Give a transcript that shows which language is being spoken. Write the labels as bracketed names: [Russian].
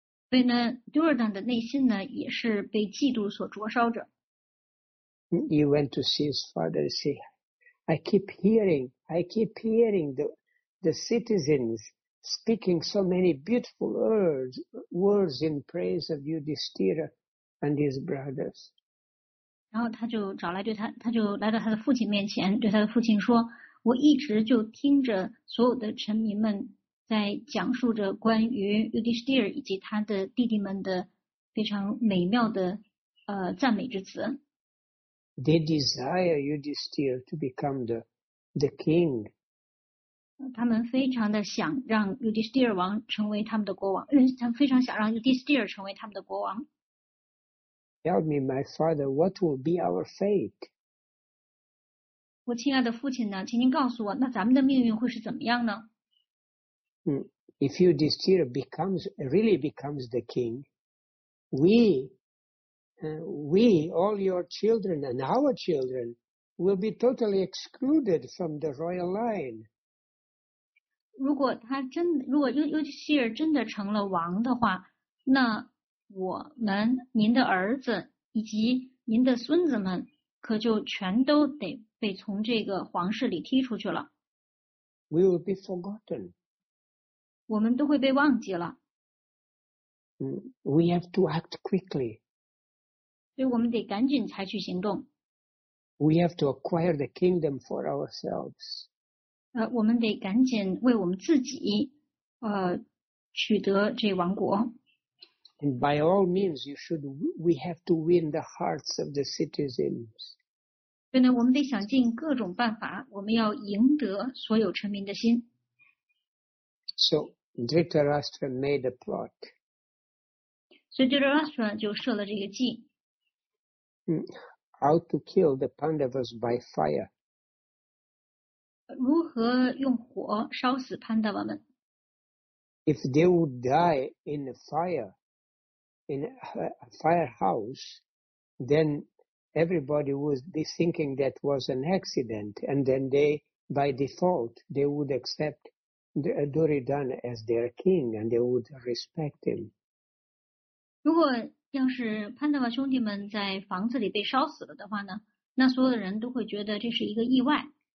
[Chinese] 所以呢 ，Duryodhan 的内心呢也是被嫉妒所灼烧着。 [English] He went to see his father and say, I keep hearing the citizens speaking so many beautiful words in praise of Yudhisthira and his brothers. [Chinese] 然后他就找来对他，他就来到他的父亲面前，对他的父亲说。我一直就听着所有的臣民们在讲述着关于 Yudhisthira 以及他的弟弟们的非常美妙的赞美之词。 [English] They desire Yudhisthira to become the king. [Chinese] 他们非常的想让 Yudhisthira 王成为他们的国王，他们非常想让 Yudhisthira 成为他们的国王。 [English] Tell me, my father, what will be our fate? [Chinese] 我亲爱的父亲呢，请您告诉我，那咱们的命运会是怎么样呢？ [English] If Yudhisthira really becomes the king, we, all your children and our children, will be totally excluded from the royal line. [Chinese] 如果 Yudhisthira 真的成了王的话，那我们您的儿子以及您的孙子们可就全都得。被从这个皇室里踢出去了。 [English] We will be forgotten. [Chinese] 我们都会被忘记了。 [English] We have to act quickly. [Chinese] 所以我们得赶紧采取行动。 [English] We have to acquire the kingdom for ourselves. [Chinese] 我们得赶紧为我们自己取得这王国。 [English] And by all means, we have to win the hearts of the citizens. [Chinese] 所以呢，我们得想尽各种办法，我们要赢得所有臣民的心。 [English] So Dhritarashtra made a plot. [Chinese] 所以 Dhritarashtra 就设了这个计。 [English] How to kill the Pandavas by fire? [Chinese] 如何用火烧死 Pandava 们 [English] ？If they would die in a fire, in a firehouse, then everybody would be thinking that was an accident, and then they, by default, they would accept Duryodhan as their king, and they would respect him. [Chinese] 如果要是潘德瓦兄弟们在房子里被烧死了的话呢，那所有的人都会觉得这是一个意外。